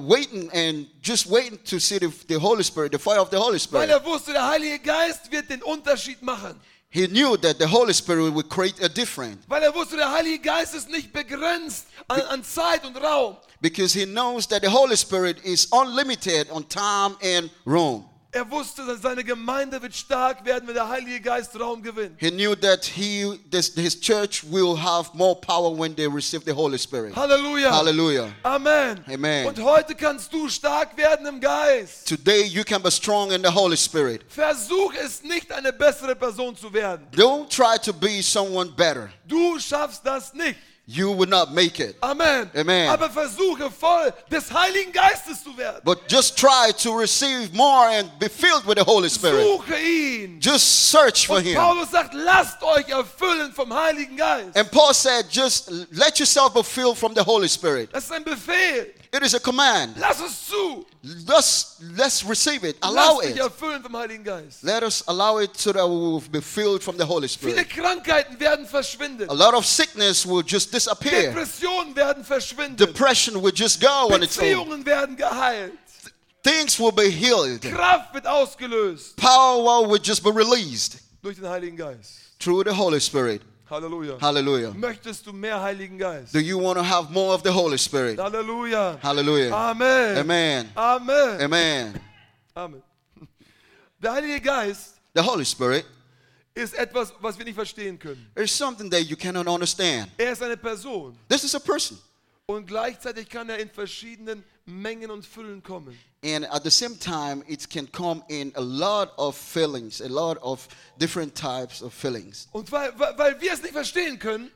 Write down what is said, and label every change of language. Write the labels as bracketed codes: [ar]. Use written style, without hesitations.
[en] He was waiting to see the Holy Spirit, the fire of the Holy Spirit. [de] Weil er wusste, der Heilige Geist wird den Unterschied machen. [en] He knew that the Holy Spirit would create a difference. [de] Weil er wusste, der Heilige Geist ist nicht begrenzt an Zeit und Raum. [en] Because he knows that the Holy Spirit is unlimited on time and room. [de] Er wusste, dass seine Gemeinde wird stark werden, wenn der Heilige Geist Raum gewinnt. [en] He knew that his church will have more power when they receive the Holy Spirit. Hallelujah. Hallelujah. Amen. Amen. [de] Und heute kannst du stark werden im Geist. [en] Today you can be strong in the Holy Spirit. [de] Versuch es nicht, eine bessere Person zu werden. [en] Don't try to be someone better. [de] Du schaffst das nicht. [en] You will not make it. Amen. Amen. [de] Aber versuche voll des Heiligen Geistes zu werden. [en] But just try to receive more and be filled with the Holy Spirit. [de] Suche ihn. [en] Just search [de] Und [en] for him. [de] Paulus sagt, lasst euch erfüllen vom Heiligen Geist. [en] And Paul said, just let yourself be filled from the Holy Spirit. [de] Das ist ein Befehl. [en] It is a command. [de] Lass uns zu. [en] Let's receive it. Allow [de] Lass [en] it. [de] Lasst euch erfüllen vom Heiligen Geist. [en] Let us allow it so that we will be filled from the Holy Spirit. [de] Viele Krankheiten werden verschwinden. [en] A lot of sickness will just disappear. [de] Depressionen werden verschwinden. [en] Depression will just go on its own. [de] Beziehungen werden geheilt. [en] Things will be healed. [de] Kraft wird ausgelöst. [en] Power will just be released. [de] Durch den Heiligen Geist. [en] Through the Holy Spirit. Hallelujah. Hallelujah. [de] Möchtest du mehr Heiligen Geist? [en] Do you want to have more of the Holy Spirit? Hallelujah. Hallelujah. Amen. Amen. Amen. Amen. [de] Amen. Der Heilige Geist. [en] The Holy Spirit. [de] Ist etwas, was wir nicht verstehen können. [en] It's something that you cannot understand. [de] Er ist eine Person. [en] This is a person. [de] Und gleichzeitig kann er in verschiedenen Mengen und Füllen kommen. [en] And at the same time, it can come in a lot of fillings, a lot of different types of fillings. [de] Und weil wir es nicht verstehen können.